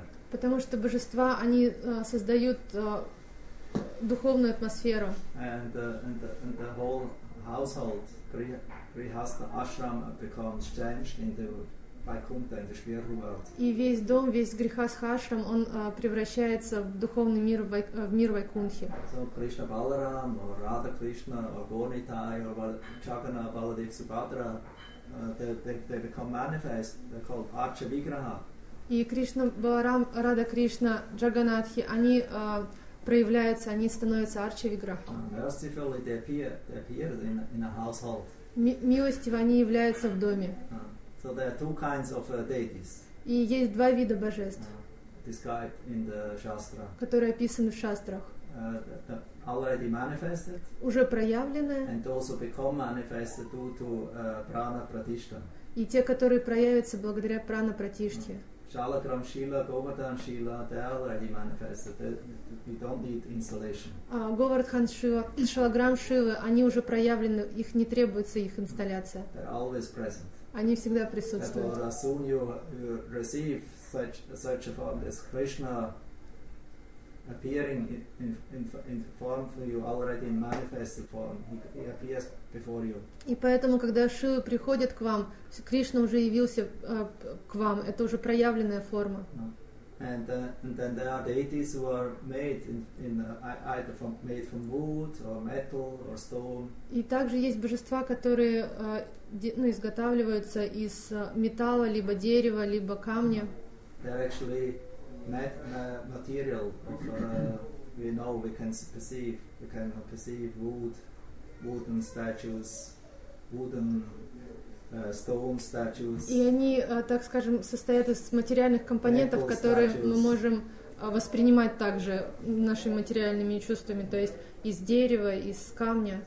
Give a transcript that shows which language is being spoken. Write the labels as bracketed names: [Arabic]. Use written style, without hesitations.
[Russian] Потому что божества, они создают духовную атмосферу. [English] And the whole household, Prihasta ashram, becomes changed in the Vaikuntha, in the spiritual world. [Russian] И весь дом, весь грихастха ашрам, он превращается в духовный мир, в мир Вайкунтхи. [English] So Krishna Balaram, or Radha Krishna, or Gornitai, or Chagana Baladev Subhadra, they become manifest, they're called Archa Vigraha. [Russian] И Кришна Баларам, Рада Кришна, Джаганатхи, они проявляются, они становятся арчавиграха. Милостиво они являются в доме. [English] So there are two kinds of deities. [Russian] И есть два вида божеств, [English] described in the Shastra, [Russian] которые описаны в шастрах. [English] Already manifested, [Russian] уже проявленные, [English] and also become manifested due to prana pratishtha. [Russian] И те, которые проявятся благодаря прана пратиште. [English] Shalakram Shila, Govardhan Shila, they already manifested. We don't need installation. [Russian] Говардхан Шила, Шалаграм Шила, они уже проявлены, их не требуется их инсталляция. [English] They're always present. [Russian] Они всегда присутствуют. [English] Therefore, as soon you receive such a form as Krishna appearing in form for you, already in manifested form, he appears before you. [Russian] И поэтому, когда Шивы приходят к вам, Кришна уже явился к вам, это уже проявленная форма. [English] And then there are deities who are made in either from, made from wood or metal or stone. [Russian] И также есть божества, которые изготавливаются из металла, либо дерева, либо камня. [English] They're actually material of we know we can perceive wood, wooden statues, wooden stone statues. [Russian] И они, так скажем, состоят из материальных компонентов, которые мы можем воспринимать также нашими материальными чувствами, то есть из дерева, из камня.